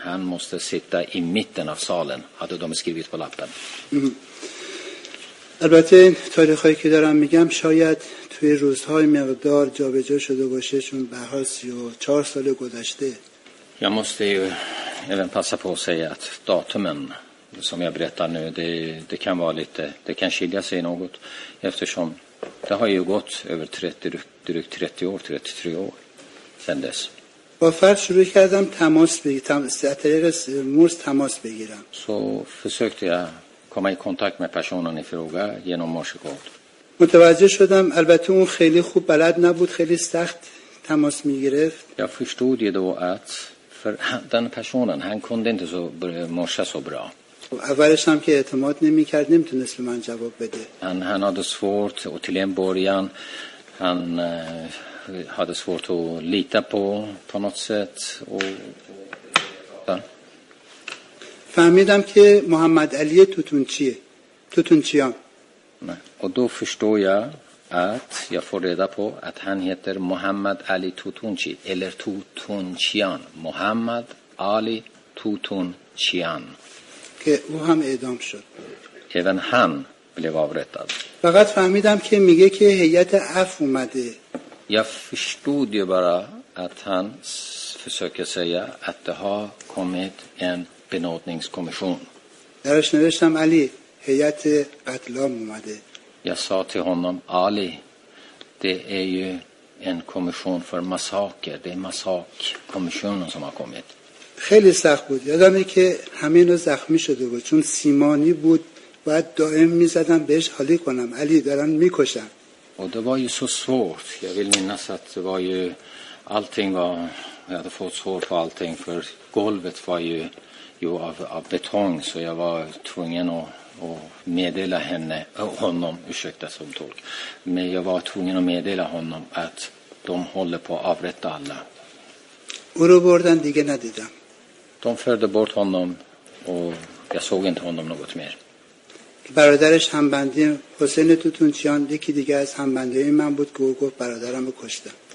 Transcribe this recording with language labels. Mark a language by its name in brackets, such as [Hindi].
[Swedish] Han måste sitta i mitten av salen, hade de skrivit på lappen. [Persian] البته تاریخی که دارم میگم شاید توی روزهای مقدار جابجا شده باشه چون به هر حال 34 سال گذشته. [Swedish] Jag måste ju även passa på att säga att datumen som jag berättar nu det kan vara lite det kan skilja sig något eftersom det har ju gått över 33 år sedan dess. [Persian] با فرد شروع کردم تماس بگیرم از طریق مورس تماس بگیرم. [Swedish] Så försökte jag komma i kontakt med personen i fråga genom morsekod. [Persian] متوجه شدم البته اون خیلی خوب بلد نبود خیلی سخت تماس میگرفت. [Swedish] Jag förstod ju då att för den personen han kunde inte så morsa så bra. [Persian] اولش هم که اعتماد نمیکرد نمیتونست به من جواب بده. [Swedish] Han hade svårt och till en början han hade svårt att lita på något sätt och [Persian] فهمیدم که محمد علی توتونچیان. [Swedish] Och då förstår jag att jag får reda på att han heter Muhammad Ali Tutunchi eller Tutunchian. Muhammad Ali Tutunchian. [Persian] که او هم اعدام شد. [Swedish] Även han blev avrättad. [Persian] فقط فهمیدم که میگه که هیئت عفو اومده. [Swedish] Jag förstod ju bara att han försöker säga att det har kommit en benådningskommission. [Persian] درش نوشتم علی هیئت قتلام اومده. [Swedish] Jag sa till honom Ali, det är ju en kommission för massaker. Det är massakkommissionen som har kommit. [Persian] خیلی سخت بود. یادم میاد که همینو زخمی شده بود چون سیمانی بود. بعد دائم میزدم بهش حالی کنم. علی دارن میکشن. [Swedish] Och det var ju så svårt. Jag vill minnas att det var ju allting var jag hade fått svårt på allting för golvet var ju Jo, av betong, så jag var tvungen att meddela henne, honom, ursäkta som tolk. Men jag var tvungen att meddela honom att de håller på att avrätta alla. De förde bort honom och jag såg inte honom något mer. [Persian] برادرش همبندی حسین توتونچیان یکی دیگه از همبندی من بود که او گفت برادرم رو کشتم.